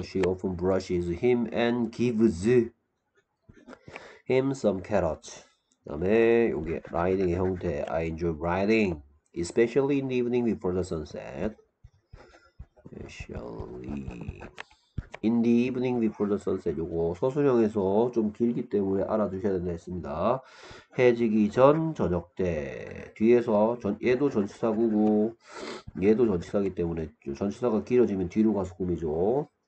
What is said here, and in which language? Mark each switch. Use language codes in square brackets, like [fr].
[en] she often brushes him and gives him some carrots. [ko] 그다음에 이게 라이딩의 형태. [en] I enjoy riding, especially in the evening before the sunset. Especially in the evening before the sunset. [ko] 요거 서술형에서 좀 길기 때문에 알아두셔야 된다 했습니다. 해지기 전 저녁 때. 뒤에서 얘도 전치사구고, 얘도 전치사기 때문에 전치사가 길어지면 뒤로 가서 꾸미죠.